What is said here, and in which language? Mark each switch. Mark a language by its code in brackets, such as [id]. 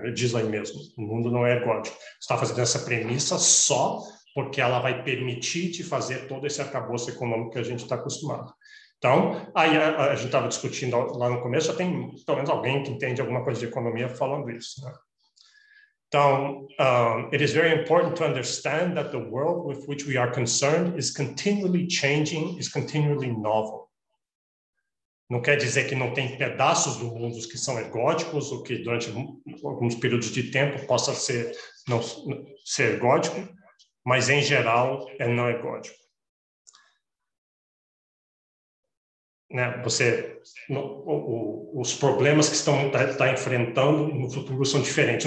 [pt] Ele diz aí mesmo, o mundo não é ergódico. Você está fazendo essa premissa só porque ela vai permitir te fazer todo esse arcabouço econômico que a gente está acostumado. Então, aí a gente estava discutindo lá no começo, já tem pelo menos alguém que entende alguma coisa de economia falando isso, né? [en] Então, it is very important to understand that the world with which we are concerned is continually changing, is continually novel. [pt] Não quer dizer que não tem pedaços do mundo que são ergóticos ou que durante alguns períodos de tempo possa ser, não, ser ergótico, mas em geral é não ergótico. Né? Você, os problemas que estão tá enfrentando no futuro são diferentes.